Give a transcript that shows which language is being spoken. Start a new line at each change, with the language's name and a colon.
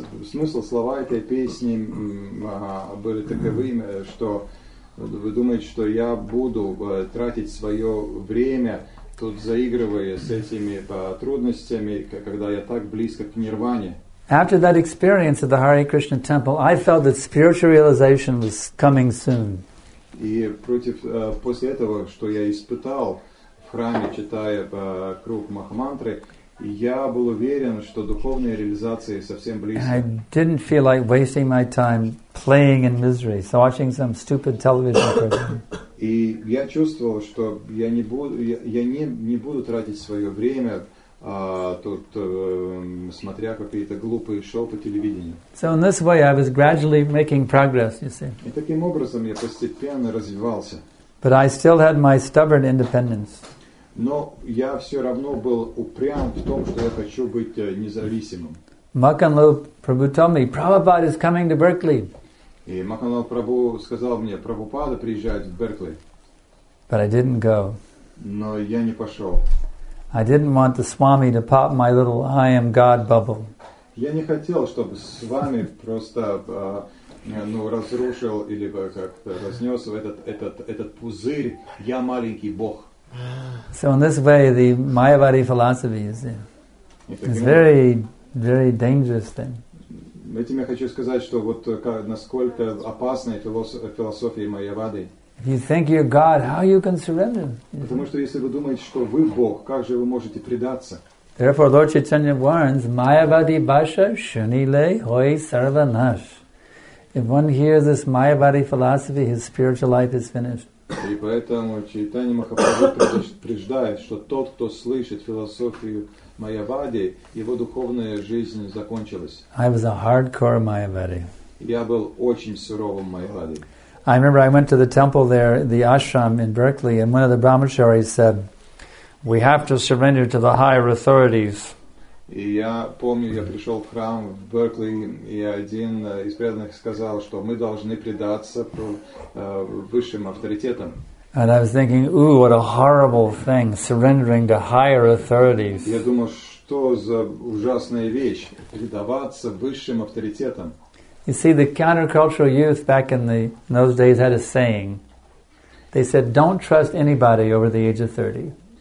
Russian: Смысл слова этой песни были таковыми, что вы думаете, что я буду тратить свое время тут заигрывая с этими трудностями, когда я так близко к нирване?
English: After that experience at the Hare Krishna temple, I felt that spiritual realization was coming soon.
Russian: И против после этого, что я испытал в храме, читая круг Махамантры, я был уверен, что духовная реализация совсем близка.
English: I didn't feel like wasting my time playing in misery, so watching some stupid television program.
Russian: И я чувствовал, что я не буду я не буду тратить свое время тут смотря какие-то глупые шоу по телевидению.
English: So in this way I was gradually making progress, you see.
Russian: И таким образом я постепенно развивался.
English: But I still had my stubborn independence.
Russian: Но я все равно был упрям в том, что я хочу быть независимым.
English: Makanlal Prabhu told me, Prabhupada is coming to Berkeley.
Russian: И Makanlal Prabhu сказал мне, Прабхупада приезжает в Беркли.
English: But I didn't go.
Russian: Но я не пошел.
English: I didn't want the Swami to pop my little I am God bubble.
Russian: Я не хотел, чтобы Свами просто ну разрушил или как-то разнес этот пузырь. Я маленький Бог.
English: So in this way, the Mayavadi philosophy is it's very, very dangerous thing.
Russian: Этим я хочу сказать, что вот насколько опасная философия Майявады.
English: If you think you're God, how you can surrender?
Russian: Потому что если вы думаете, что вы Бог, как же вы можете предаться?
English: Therefore, Lord Chaitanya warns,
Bangla: Mayavadi bhasha shunile hoy sarvanash.
English: If one hears this Mayavadi philosophy, his spiritual life is finished.
Russian: И поэтому Чайтанья Махапрабху предупреждает, что тот, кто слышит философию Майявади, его духовная жизнь закончилась.
English: I was a hardcore Mayavadi.
Russian: Я был очень суровым Майявади.
English: I remember I went to the temple there, the ashram in Berkeley, and one of the brahmacharis said, "We have to surrender to the higher authorities."
Russian: И я помню, я пришел в храм в Беркли, и один из преданных сказал, что мы должны предаться высшим авторитетам.
English: And I was thinking, "Ooh, what a horrible thing, surrendering to higher authorities."
Russian: Я думал, что за ужасная вещь предаваться высшим авторитетам.
English: You see, the countercultural youth back in those days had a saying. They said, don't trust anybody over the age of 30.